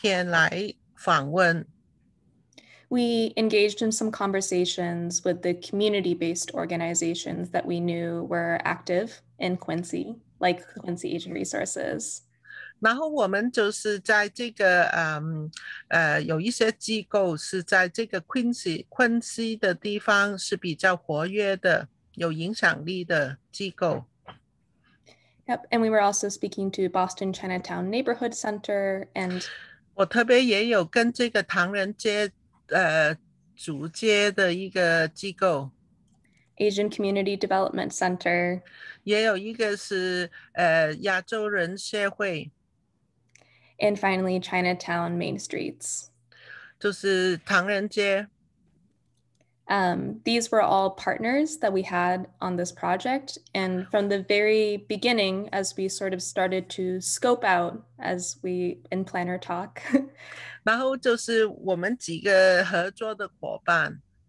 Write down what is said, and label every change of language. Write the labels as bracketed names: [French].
[Chinese] 我们是决定要用这个拍影这个影片来访问。 [English] We engaged in some conversations with the community-based organizations that we knew were active in Quincy, like Quincy Asian Resources. [Chinese] 然后我们就是在这个有一些机构是在这个 Quincy 的地方是比较活跃的，有影响力的机构。 [English] Yep, and we were also speaking to Boston Chinatown Neighborhood Center and [Chinese] 我特别也有跟这个唐人街主街的一个机构 [English] Asian Community Development Center. [Chinese] 也有一个是, 亚洲人社会, [English] and finally, Chinatown Main Streets. [Chinese] 就是唐人街, [English] these were all partners that we had on this project. And from the very beginning, as we sort of started to scope out as we in planner talk, [Chinese] 然后就是我们几个合作的伙伴,